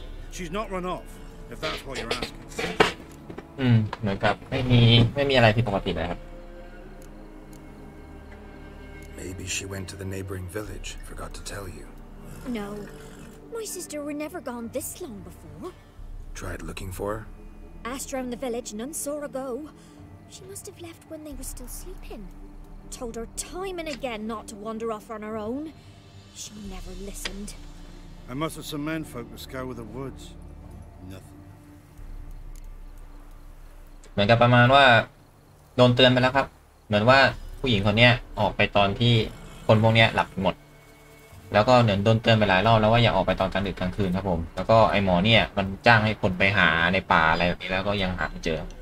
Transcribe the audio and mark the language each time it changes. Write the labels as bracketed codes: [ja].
[en] She's not run off if that's what you're asking. [th] เหมือนกับไม่มีอะไรผิดปกติเลยครับ [en] Maybe she went to the neighboring village. Forgot to tell you. No. My sister were never gone this long before. Tried looking for her. Asked around the village, none saw her go. She must have left when they were still sleeping. Told her time and again not to wander off on her own. She never listened. I must have some men folk to scour the woods. Nothing. [th] เหมือนกับประมาณว่าโดนเตือนไปแล้วครับเหมือนว่าผู้หญิงคนนี้ออกไปตอนที่คนพวกนี้หลับหมด แล้วก็เหมือนโดนเตือนไปหลายรอบแล้วว่าอย่าออกไปตอนกลางดึกกลางคืนครับผมแล้วก็ไอ้หมอเนี่ยมันจ้างให้คนไปหาในป่าอะไรแบบนี้แล้วก็ยังหาไม่เจอ